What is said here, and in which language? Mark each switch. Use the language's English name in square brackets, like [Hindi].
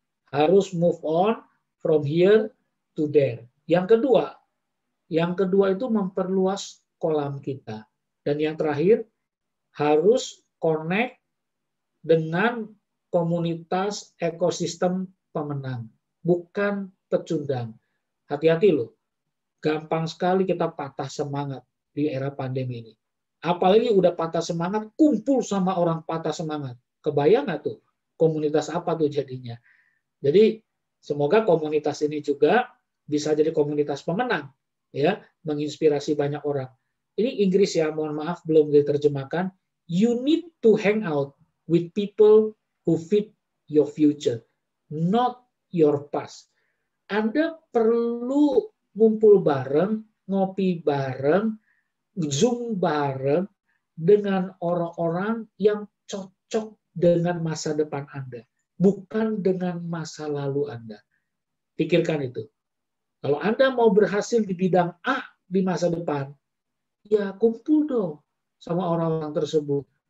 [Indonesian] Harus [English] move on from here to there. [Indonesian] Yang kedua itu memperluas kolam kita. Dan yang terakhir, harus connect dengan komunitas ekosistem pemenang. Bukan pecundang. Hati-hati loh. Gampang sekali kita patah semangat di era pandemi ini. Apalagi udah patah semangat, kumpul sama orang patah semangat. Kebayang nggak tuh komunitas apa tuh jadinya? Jadi semoga komunitas ini juga bisa jadi komunitas pemenang, ya, menginspirasi banyak orang. Ini Inggris ya, mohon maaf belum diterjemahkan. [English] You need to hang out with people who fit your future, not your past. [Indonesian] Anda perlu ngumpul bareng, ngopi bareng, zoom bareng dengan orang-orang yang cocok dengan masa depan Anda, bukan dengan masa lalu Anda. Pikirkan itu. Kalau Anda mau berhasil di bidang A di masa depan, ya kumpul dong sama orang-orang tersebut.